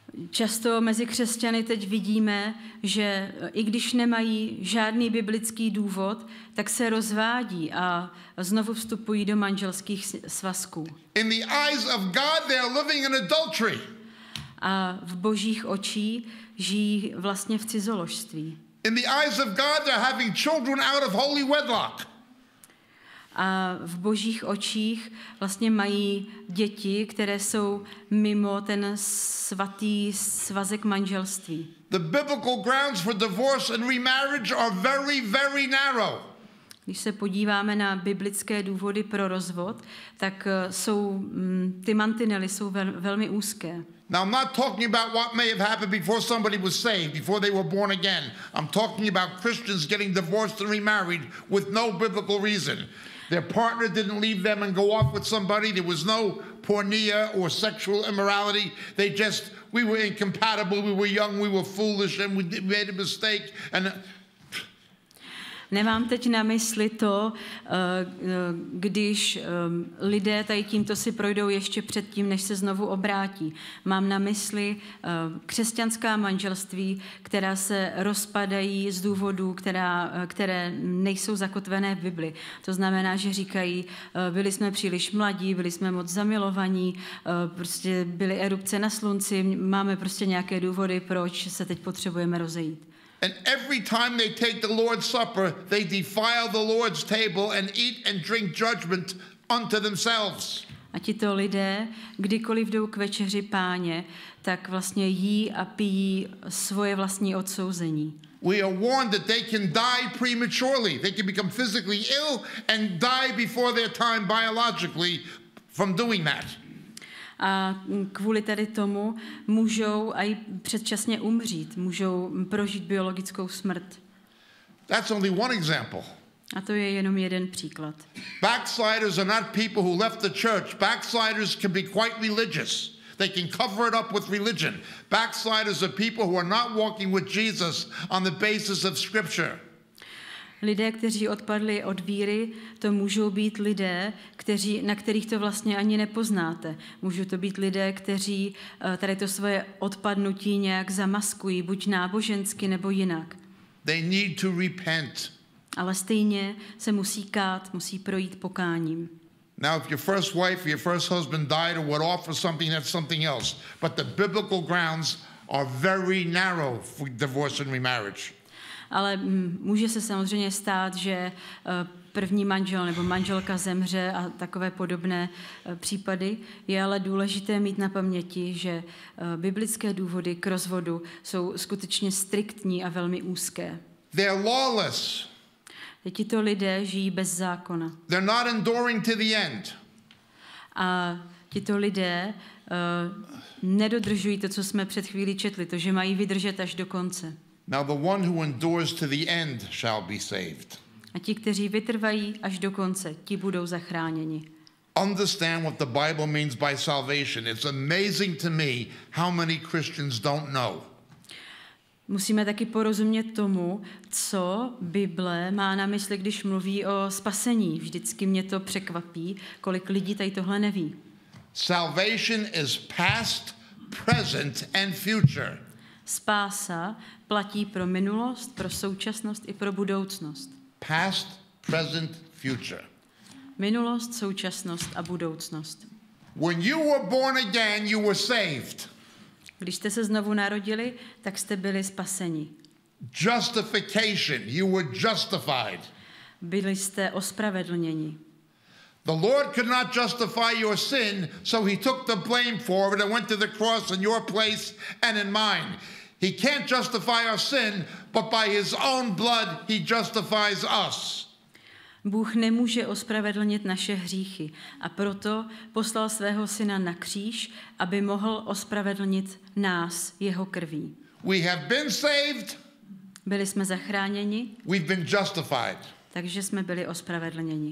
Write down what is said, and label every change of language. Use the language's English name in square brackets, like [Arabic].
[Czech] Často mezi křesťany teď vidíme, že i když nemají žádný biblický důvod, tak se rozvádí a znovu vstupují do manželských svazků. [English] In the eyes of God, they are living in adultery. [Czech] A v božích očích žijí vlastně v cizoložství. [English] In the eyes of God, they're having children out of holy wedlock. [Czech] A v božích očích vlastně mají děti, které jsou mimo ten svatý svazek manželství. [English] The biblical grounds for divorce and remarriage are very, very narrow. [Czech] Když se podíváme na biblické důvody pro rozvod, tak jsou ty mantinely jsou velmi úzké. [English] Now I'm not talking about what may have happened before somebody was saved, before they were born again. I'm talking about Christians getting divorced and remarried with no biblical reason. Their partner didn't leave them and go off with somebody. There was no pornea or sexual immorality. We were incompatible. We were young. We were foolish, and we made a mistake. And [Czech] nemám teď na mysli to, když lidé tady tímto si projdou ještě předtím, než se znovu obrátí. Mám na mysli křesťanská manželství, která se rozpadají z důvodů, které nejsou zakotvené v Bibli. To znamená, že říkají, byli jsme příliš mladí, byli jsme moc zamilovaní, prostě byly erupce na slunci, máme prostě nějaké důvody, proč se teď potřebujeme rozejít. [English] And every time they take the Lord's Supper, they defile the Lord's table and eat and drink judgment unto themselves. [Czech] A tito lidé, kdykoliv jdou k večeři Páně, tak vlastně jí a pijí svoje vlastní odsouzení. [English] We are warned that they can die prematurely. They can become physically ill and die before their time biologically from doing that. [Czech] A kvůli tady tomu můžou aj předčasně umřít, můžou prožít biologickou smrt. [English] That's only one example. [Czech] A to je jenom jeden příklad. [English] Backsliders are not people who left the church. Backsliders can be quite religious. They can cover it up with religion. Backsliders are people who are not walking with Jesus on the basis of scripture. [Czech] Lidé, kteří odpadli od víry, to můžou být lidé, na kterých to vlastně ani nepoznáte. Můžou to být lidé, kteří tady to svoje odpadnutí nějak zamaskují, buď nábožensky nebo jinak. [English] They need to repent. [Czech] Ale stejně se musí kát, musí projít pokáním. [English] Now if your first wife, your first husband died or went off for something, that's something else. But the biblical grounds are very narrow for divorce and remarriage. [Czech] Ale může se samozřejmě stát, že první manžel nebo manželka zemře a takové podobné případy. Je ale důležité mít na paměti, že biblické důvody k rozvodu jsou skutečně striktní a velmi úzké. [English] They're lawless. [Czech] Tito lidé žijí bez zákona. [English] They're not enduring to the end. [Czech] A tito lidé nedodržují to, co jsme před chvíli četli, to, že mají vydržet až do konce. [English] Now the one who endures to the end shall be saved. [Czech] A ti, kteří vytrvají až do konce, ti budou zachráněni. [English] Understand what the Bible means by salvation. It's amazing to me how many Christians don't know. [Czech] Musíme taky porozumět tomu, co Bible má na mysli, když mluví o spasení. Vždycky mě to překvapí, kolik lidí tady tohle neví. [English] Salvation is past, present and future. [Czech] Spása platí pro minulost, pro současnost i pro budoucnost. [English] Past, present, future. [Czech] Minulost, současnost a budoucnost. [English] When you were born again, you were saved. [Czech] Když jste se znovu narodili, tak jste byli spaseni. [English] Justification, you were justified. [Czech] Byli jste ospravedlněni. [English] The Lord could not justify your sin, so he took the blame for it and went to the cross in your place and in mine. He can't justify our sin, but by his own blood he justifies us. [Czech] Bůh nemůže ospravedlnit naše hříchy a proto poslal svého syna na kříž, aby mohl ospravedlnit nás jeho krví. [English] We have been saved. [Czech] Byli jsme zachráněni. [English] We've been justified. [Czech] Takže jsme byli ospravedlněni.